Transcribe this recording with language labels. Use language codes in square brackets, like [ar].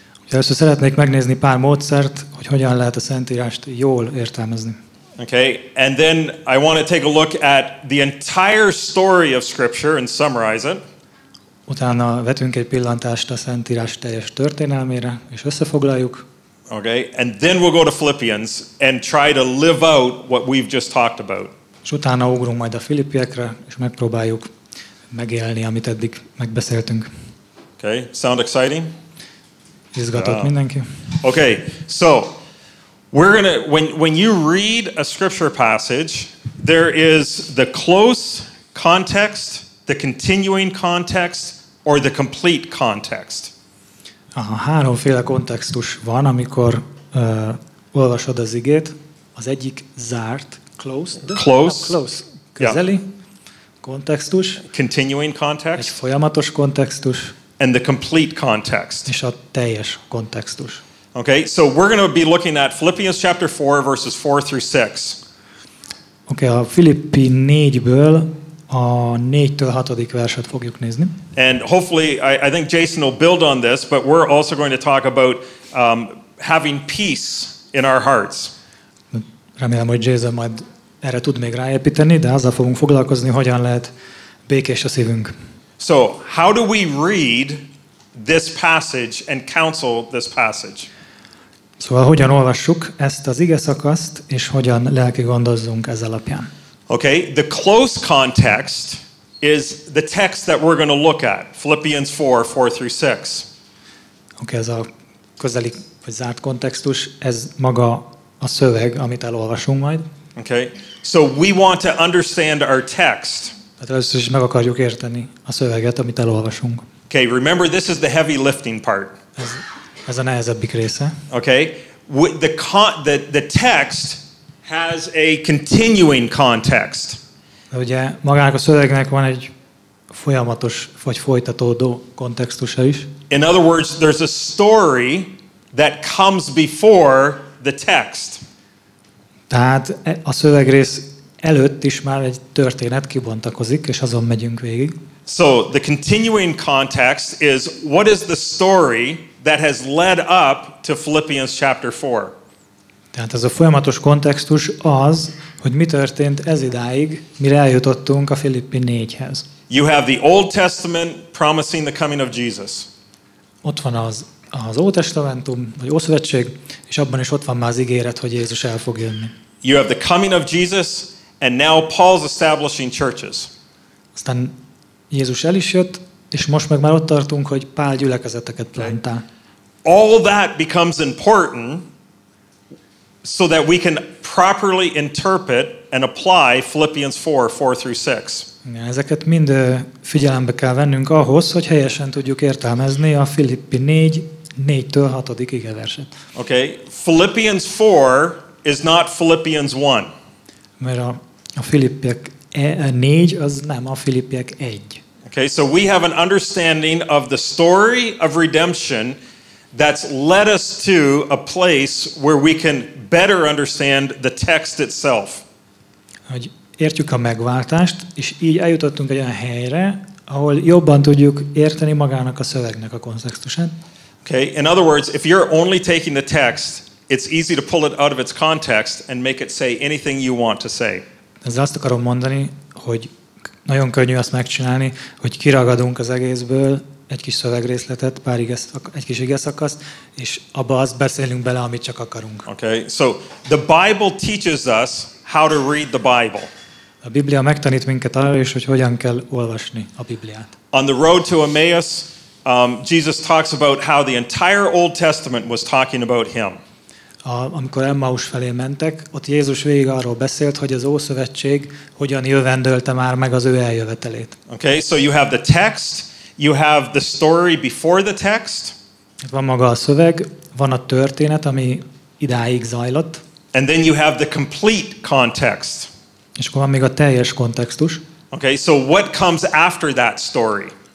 [hu] Először szeretnék megnézni pár módszert, hogy hogyan lehet a Szentírást jól értelmezni. [en] Okay, and then I want to take a look at the entire story of scripture and summarize it. [hu] Utána vetünk egy pillantást a Szentírás teljes történelmére és összefoglaljuk. [en] Okay, and then we'll go to Philippians and try to live out what we've just talked about. [hu] És utána ugrunk majd a Filippiekre és megpróbáljuk megélni, amit eddig megbeszéltünk. [en] Okay, sound exciting? [hu] Izgatott mindenki. [en] Okay, so we're gonna when you read a scripture passage, there is the close context, the continuing context, or the complete context. [hu] Háromféle kontextus van, amikor olvasod az igét. Az egyik zárt, [en] close, [hu] közeli kontextus. [en] Continuing context. [hu] Egy folyamatos kontextus. [en] And the complete context. [hu] És a teljes kontextus. [en] Okay, so we're going to be looking at Philippians chapter 4, verses 4 through 6. [hu] Okay, a Filippi 4-ből a 4-től 6. verset fogjuk nézni. [en] And hopefully, I think Jason will build on this, but we're also going to talk about having peace in our hearts. [hu] Remélem, hogy Jason majd erre tud még ráépíteni, de azzal fogunk foglalkozni, hogyan lehet békés a szívünk. [en] So, how do we read this passage and counsel this passage? [hu] Szóval hogyan olvassuk ezt az ige szakaszt és hogyan lelkigondozzunk ez alapján? [en] Okay, the close context is the text that we're going to look at, Philippians 4, 4 through 6. [hu] Okay, ez a közeli vagy zárt kontextus, ez maga a szöveg, amit elolvasunk majd. [en] Okay, so we want to understand our text. [hu] Tehát először is meg akarjuk érteni a szöveget, amit elolvasunk. [en] Okay, remember this is the heavy lifting part. [hu] Ez a nehezebbik része. [en] Okay, the text has a continuing context. [hu] Ugye magának a szövegnek van egy folyamatos vagy folytatódó kontextusa is. [en] In other words, there's a story that comes before the text. [hu] Tehát a szövegrész előtt is már egy történet kibontakozik, és azon megyünk végig. [en] So the continuing context is what is the story that has led up to Philippians chapter 4. [hu] Tehát ez a folyamatos kontextus az, hogy mi történt ez idáig, mire eljutottunk a Filippi 4-hez. [en] You have the Old Testament promising the coming of Jesus. [hu] Ott van az Ótestamentum vagy Ószövetség, és abban is ott van már az ígéret, hogy Jézus el fog jönni. [en] You have the coming of Jesus and now Paul's establishing churches. [hu] Aztán Jézus el is jött, és most meg már ott tartunk, hogy Pál gyülekezeteket plantál. [en] All that becomes important so that we can properly interpret and apply Philippians 4, 4 through 6. [hu] Igen, ezeket mind figyelembe kell vennünk ahhoz, hogy helyesen tudjuk értelmezni a Filippi 4, 4-től 6. ige verset. [en] Okay, Philippians 4 is not Philippians 1. [hu] Mert a Filippiek 4 az nem a Filippiek 1. [en] Okay, so we have an understanding of the story of redemption that's led us to a place where we can better understand the text itself. [hu] Hogy értjük a megváltást, és így eljutottunk egy olyan helyre, ahol jobban tudjuk érteni magának a szövegnek a kontextusát. [en] Okay, in other words, if you're only taking the text, it's easy to pull it out of its context and make it say anything you want to say. [hu] Ezzel azt akarom mondani, hogy nagyon könnyű azt megcsinálni, hogy kiragadunk az egészből, egy kis szövegrészletet, pár egy kis igeszakaszt, és abba azt beszélünk bele, amit csak akarunk. [en] Okay, so the Bible teaches us how to read the Bible. [hu] A Biblia megtanít minket arra is, hogy hogyan kell olvasni a Bibliát. [en] On the road to Emmaus, Jesus talks about how the entire Old Testament was talking about him. [hu] Amikor Emmaus felé mentek, ott Jézus végig arról beszélt, hogy az Ószövetség hogyan jövendölte már meg az ő eljövetelét. [en] Okay, so you have the text, you have the story before the text. [hu] Van maga a szöveg, van a történet, ami idáig zajlott. [en] And then you have the complete context. [hu] És akkor van még a teljes kontextus. [en] Okay, so what comes after that story?